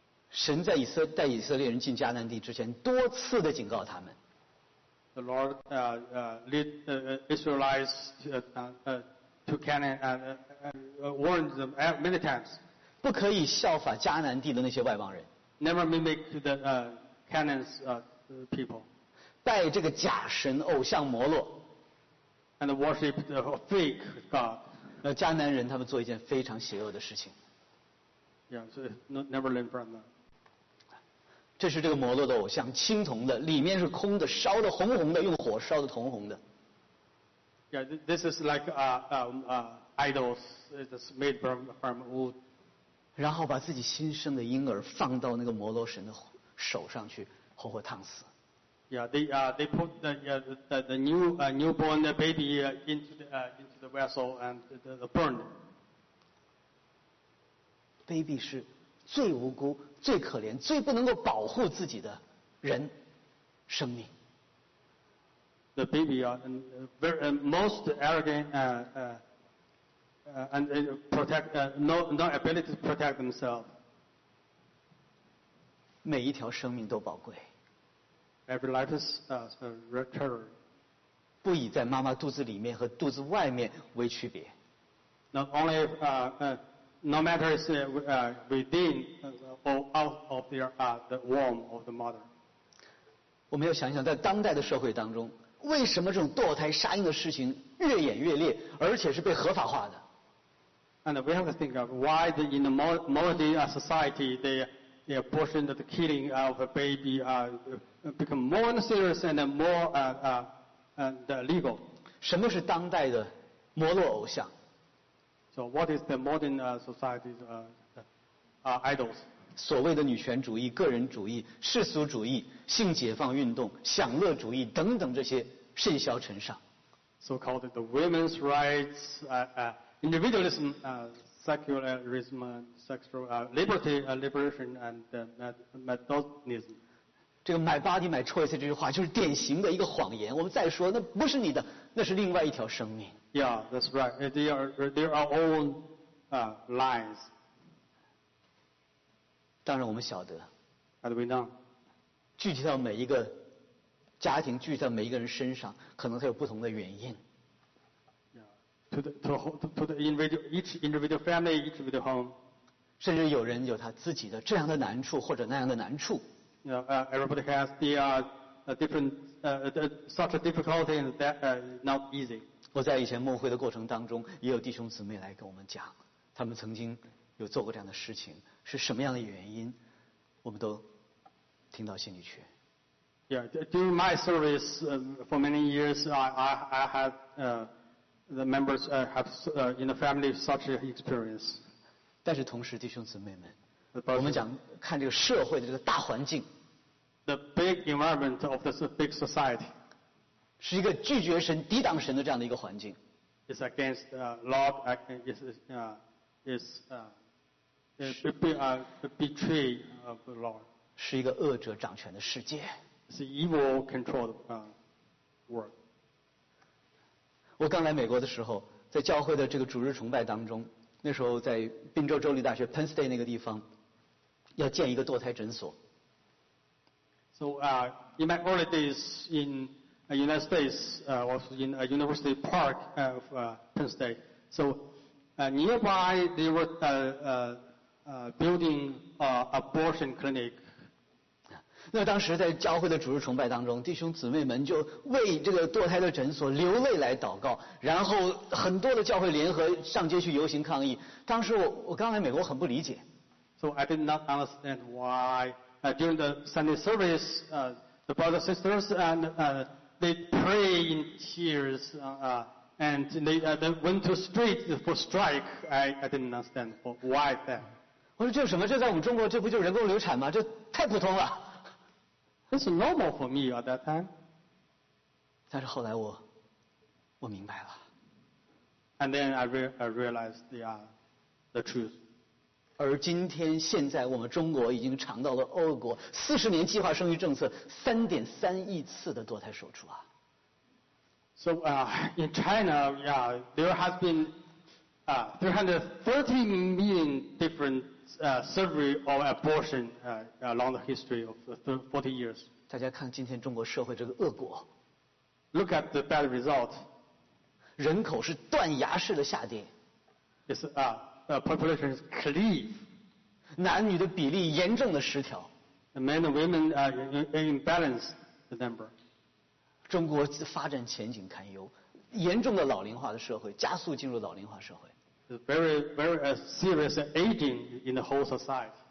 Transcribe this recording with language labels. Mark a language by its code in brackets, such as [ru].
[zh] 神在以色带以色列人进迦南地之前，多次的警告他们。 [en] The Lord led Israelites to Canaan and warned them many times. [zh] 不可以效法迦南地的那些外邦人。 [en] Never mimic to the Canaan's. People. [zh] 拜这个假神偶像摩洛 [en] and worship the fake god. [zh] 那迦南人他们做一件非常邪恶的事情。 [en] Yeah, so never learn from them. [zh] 这是这个摩洛的偶像，青铜的，里面是空的，烧的红红的，用火烧的铜红的。 [en] Yeah, this is like idols. It's made from wood. [zh] 然后把自己新生的婴儿放到那个摩洛神的手上去，活活烫死。 [en] Yeah, they put the newborn baby into the vessel and the burned. [zh] Baby 是最无辜、最可怜、最不能够保护自己的人生命。 [en] The baby most arrogant and protect no ability to protect themselves. [zh] 每一条生命都宝贵。 [en] Every life is treasure. [zh] 不以在妈妈肚子里面和肚子外面为区别。 [en] Not only no matter is within or out of the womb of the mother. [zh] 我们要想一想，在当代的社会当中，为什么这种堕胎杀婴的事情越演越烈，而且是被合法化的 [en] ？And we have to think of why in the modern society the abortion, the killing of a baby become more serious and more and legal. [zh] 什么是当代的摩洛偶像 [en] ？So what is the modern society's idols？ [zh] 所谓的女权主义、个人主义、世俗主义、性解放运动、享乐主义等等，这些甚嚣尘上。 [en] So-called the women's rights, individualism, secularism, sexual liberty, liberation, and methodism. [zh] 这个 [en] my body, my choice [zh] 这句话就是典型的一个谎言。我们再说，那不是你的，那是另外一条生命。 [en] Yeah, that's right. There are own lies. [zh] 当然，我们晓得。 [en] And we know. [zh] 具体到每一个。家庭聚在每一个人身上，可能它有不同的原因。 [en] To the individual, each individual family, each individual home. [zh] 甚至有人有他自己的这样的难处或者那样的难处。 [en] Everybody has such a difficulty and that not easy. [zh] 我在以前牧会的过程当中，也有弟兄姊妹来跟我们讲，他们曾经有做过这样的事情，是什么样的原因，我们都听到心里去。 [en] Yeah, during my service for many years, I had the members have in the family such an experience. [zh] 但是同时，弟兄姊妹们，我们讲看这个社会的这个大环境 [en] ，the big environment of this big society [zh] 是一个拒绝神、抵挡神的这样的一个环境。 [en] It's against Lord. It's a betray of the Lord. [zh] 是一个恶者掌权的世界。是 [en] evil controlled world. [zh] 我刚来美国的时候，在教会的这个主日崇拜当中，那时候在宾州州立大学 Penn State 那个地方，要建一个堕胎诊所。 [en] So in my early days in the United States, was in a university park of Penn State. So nearby they were building abortion clinic. [zh] 那当时在教会的主日崇拜当中，弟兄姊妹们就为这个堕胎的诊所流泪来祷告，然后很多的教会联合上街去游行抗议。当时我刚来美国，很不理解。 [en] So I did not understand why during the Sunday service, the brothers and sisters and they pray in tears and they went to street for strike. I didn't understand why that. [zh] 我说这什么？这在我们中国，这不就是人工流产吗？这太普通了。 [en] It's normal for me at that time. [zh] 但是后来我明白了。 [en] And then I realized the truth. [zh] 而今天现在我们中国已经尝到了恶果，四十年计划生育政策3.3亿次的堕胎手术啊。 [en] So in China, yeah, there has been 330 million different. surgery or abortion along the history of 40 years. [zh] 大家看今天中国社会这个恶果。 [en] Look at the bad result. [zh] 人口是断崖式的下跌。 [en] It's population is cleave. [zh] 男女的比例严重的失调。 [en] The men and women are imbalanced the number. [zh] 中国发展前景堪忧，严重的老龄化的社会，加速进入老龄化社会。 [en] Very, very serious aging in the whole society.